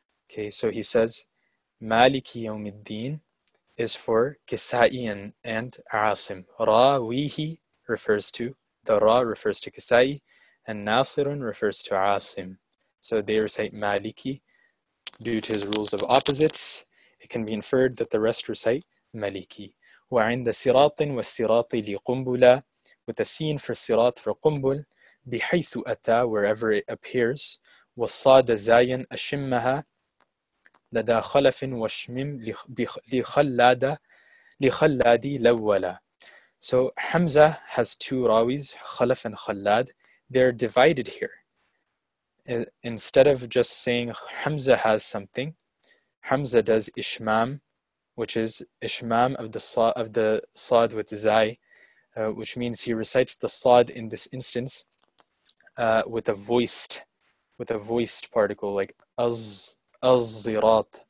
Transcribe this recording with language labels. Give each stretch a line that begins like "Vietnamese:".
English: Okay, so he says,
Arabic: مَالِكِ يَوْمِ الدِّينِ
English: is for Kisa'iyan and Asim. Rawihi refers to, the Ra refers to Kisa'i, and Nasirun refers to Asim. So they recite Maliki due to his rules of opposites. It can be inferred that the rest recite Maliki.
Arabic: وَعِنْدَ صِرَاطٍ وَالصِّرَاطِ لِقُنْبُلَةٍ,
English: with a scene for Sirat for Qumbul,
Arabic: بِحَيْثُ أَتَى,
English: wherever it appears,
Arabic: وَالصَّادَ زَيَنْ أَشِمَّهَا لَدَى خَلَفٍ وَشْمِمْ لِخَلَّادِ لَوَّلَى.
English: So Hamza has two rawis, Khalaf and Khallad. They're divided here. Instead of just saying Hamza has something, Hamza does Ishmam, which is Ishmam of the Saad with Zay, which means he recites the Saad in this instance with a voiced particle like az-zirat.